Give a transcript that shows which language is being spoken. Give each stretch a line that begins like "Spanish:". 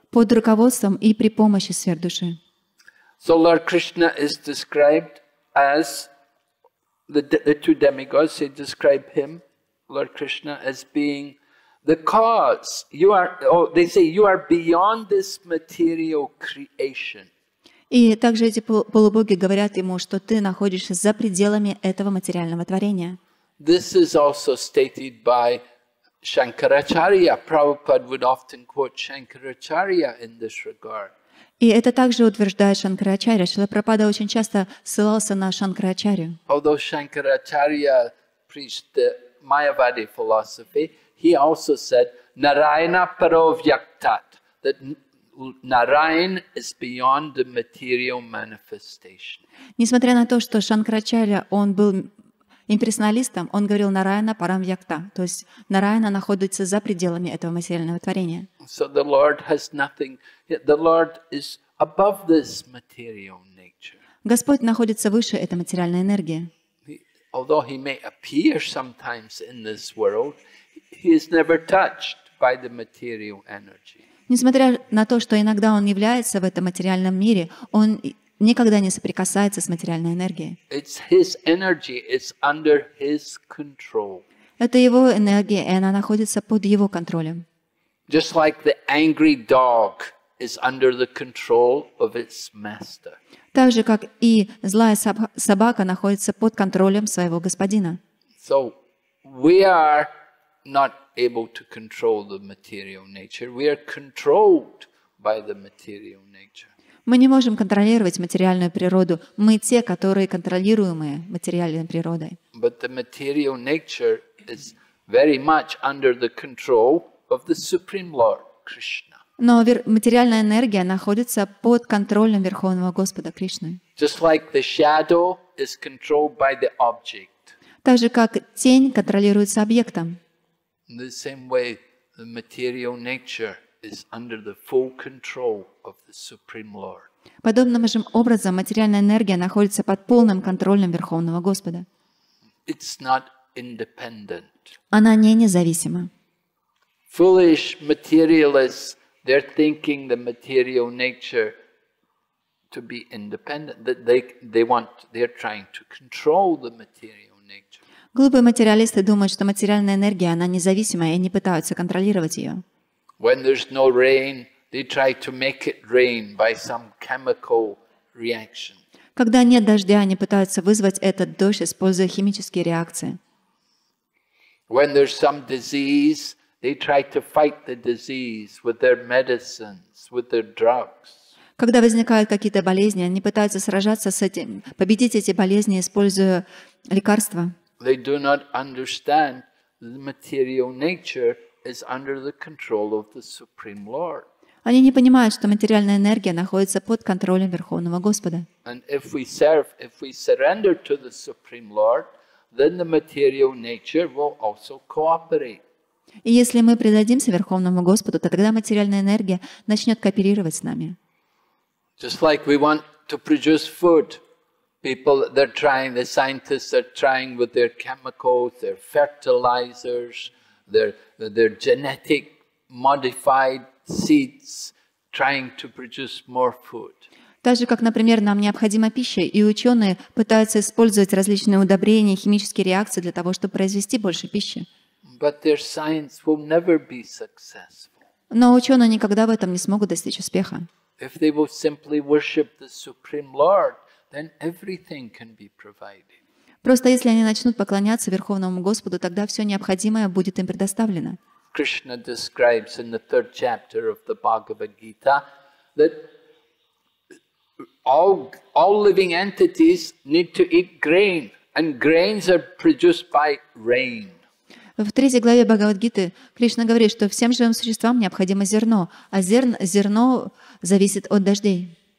Russian: Под руководством и при помощи сверхдуши.
English: So Lord Krishna is described as the two demigods. They describe him. Lord Krishna as being the cause. You are, oh, they say, you are beyond this material creation.
Russian: И также эти полубоги говорят ему, что ты находишься за пределами этого материального творения.
English: This is also stated by Шанкарачарья, Прабхупад would often quote Шанкарачарья in this regard.
Russian: И это также утверждает Шанкарачарья. Шрила Прабхупада очень часто ссылался на Шанкарачарью.
English: Although Шанкарачарья preached the Mayavadi philosophy, he also said
Sanskrit: Narayana Paro Vyaktat,
English: that Narayan is beyond the material manifestation.
Russian: Несмотря на то, что Шанкарачарья, он был имперсоналистом, он говорил
Sanskrit: Нараяна Парам Вьякта,
Russian: то есть Нараяна находится за пределами этого материального творения.
English: So the Lord has nothing, the Lord is above this material nature.
Russian: Господь находится выше этой материальной энергии.
English: Although he may appear sometimes in this world, he is never touched by the material energy.
Russian: Несмотря на то, что иногда он является в этом материальном мире, он никогда не соприкасается с материальной энергией.
English: It's his energy, it's under his control.
Russian: Это его энергия, и она находится под его контролем.
English: Just like the angry dog is under the control of its master.
Russian: Так же, как и злая собака находится под контролем своего господина.
English: So we are not able to control the material nature. We are controlled by the material nature.
Russian: Мы не можем контролировать материальную природу. Мы те, которые контролируемые материальной природой.
English: But the material nature is very much under the control of the Supreme Lord Krishna.
Russian: Но материальная энергия находится под контролем Верховного Господа Кришны.
English: Just like the shadow is controlled by the object.
Russian: Так же, как тень контролируется объектом.
English: In the same way, the material nature is under the full control of the Supreme Lord.
Russian: Подобным же образом материальная энергия находится под полным контролем Верховного Господа.
English: It's not independent.
Russian: Она не независима.
English: Foolish materialists, they're thinking the material nature to be independent, that they're trying to control the material nature.
Russian: Глупые материалисты думают, что материальная энергия, она независимая, и они пытаются контролировать ее.
English: When there's no rain, they try to make it rain by some chemical reaction.
Russian: Когда нет дождя, они пытаются вызвать этот дождь, используя химические реакции.
English: When there's some disease, they try to fight the disease with their medicines, with their drugs.
Russian: Когда возникают какие-то болезни, они пытаются сражаться с этим, победить эти болезни, используя лекарства.
English: They do not understand the material nature is under the control of the Supreme Lord.
Russian: Они не понимают, что материальная энергия находится под контролем Верховного Господа.
English: And if we surrender to the Supreme Lord, then the material nature will also cooperate.
Russian: И если мы предадимся Верховному Господу, то тогда материальная энергия начнет кооперировать с нами.
English: Just like we want to produce food, people they're trying, the scientists are trying with their chemicals, their fertilizers, their genetic modified seeds, trying to produce more food.
Russian: Так же, как, например, нам необходима пища, и ученые пытаются использовать различные удобрения, химические реакции для того, чтобы произвести больше пищи.
English: But their science will never be successful.
Russian: Но ученые никогда в этом не смогут достичь успеха.
English: If they will simply worship the Supreme Lord, then everything can be provided.
Russian: Просто если они начнут поклоняться Верховному Господу, тогда все необходимое будет им предоставлено.
English: Кришна describes in the third chapter of the Bhagavad Gita that all living entities need to eat grain, and grains are produced by rain.
Russian: В третьей главе Бхагавад Гиты Кришна говорит, что всем живым существам необходимо зерно, а зерно зависит от дождей.